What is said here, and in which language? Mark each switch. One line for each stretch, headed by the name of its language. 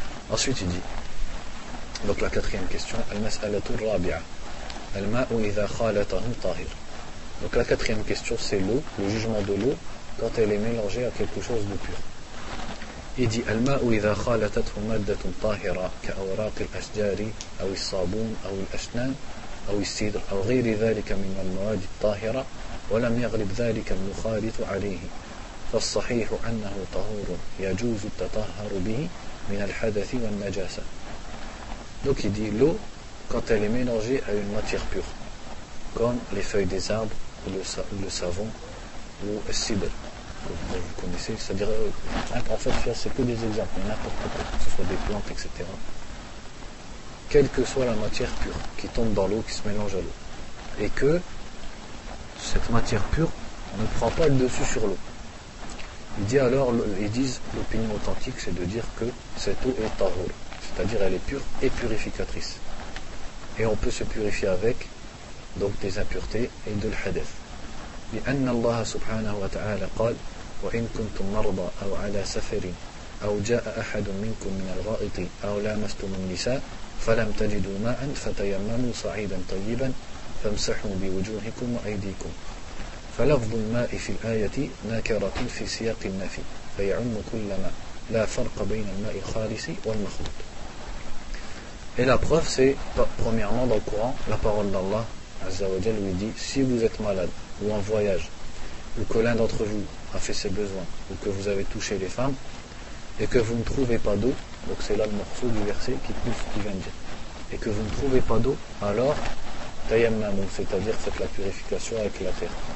French: Ensuite il dit, donc la quatrième question,
Arabic: al-mas'alatu al-rabi'a, al-ma'u idha khalatahu tahir.
French: Donc la quatrième question c'est l'eau, le jugement de l'eau quand elle est mélangée à quelque chose de pur. Il dit
Arabic: الماء إذا خالطته مادة طاهرة كأوراق الأشجار أو الصابون أو الأسنان أو السدر أو غير ذلك من المواد الطاهرة ولم يغلب ذلك المخالط عليه فالصحيح أنه طهور يجوز التطهر به من الحدث والنجاسة.
French: Donc il dit l'eau quand elle est mélangée à une matière pure comme les feuilles des arbres ou le savon ou le cidre. Vous connaissez, c'est-à-dire, en fait, c'est que des exemples, n'importe quoi, que ce soit des plantes, etc. Quelle que soit la matière pure qui tombe dans l'eau, qui se mélange à l'eau, et que cette matière pure ne prend pas le dessus sur l'eau. Il dit alors, ils disent, l'opinion authentique, c'est de dire que cette eau est tahour, c'est-à-dire elle est pure et purificatrice. Et on peut se purifier avec, donc, des impuretés et de l'hadith.
Arabic: لأن الله سبحانه وتعالى قال وإن كنتم مرضى أو على سفر أو جاء أحد منكم من الغائط أو لامستم النساء فلم تجدوا ماء فتيمموا صعيدا طيبا فامسحوا بوجوهكم وأيديكم فلفظ الماء في الآية ناكرة في سياق النفي فيعم كل ماء لا فرق بين الماء الخالص والمخلوط.
French: Et la preuve c'est premièrement dans le Coran la parole d'Allah Azza wa Jal lui dit, si vous êtes malade ou en voyage, ou que l'un d'entre vous a fait ses besoins, ou que vous avez touché les femmes, et que vous ne trouvez pas d'eau, donc c'est là le morceau du verset qui pousse, qui vient de dire, et que vous ne trouvez pas d'eau, alors tayammamou, c'est-à-dire faites la purification avec la terre.